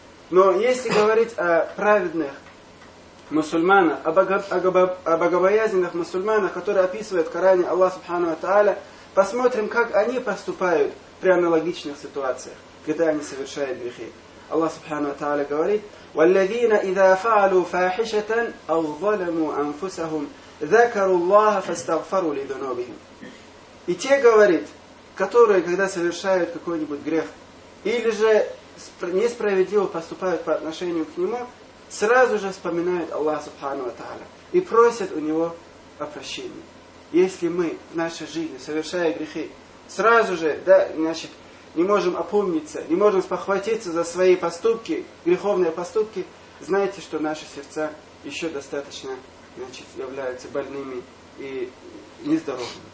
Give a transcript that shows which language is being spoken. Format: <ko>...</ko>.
<ru>Но если говорить о праведных мусульманах, о богобоязненных мусульманах, которые описывают в Коране Аллах Субхану Ва Тааля, посмотрим, как они поступают при аналогичных ситуациях, когда они совершают грехи.</ru> <ar>Аллах Субхану Ва Тааля</ar> <ru>говорит,</ru> <ar>«Валлядина, иза фаалу фахишатан, ау золяму анфусахум, ذكروا الله فاستغفروا لذنوبهم.</ar> <ru>И те, говорит, которые, когда совершают какой-нибудь грех, или же несправедливо поступают по отношению к нему, сразу же вспоминают Аллах Субхану ва Тааля и просят у него о прощении. Если мы в нашей жизни, совершая грехи, сразу же, да, значит, не можем опомниться, не можем спохватиться за свои поступки, греховные поступки, знайте, что наши сердца еще достаточно, значит, являются больными и нездоровыми.</ru>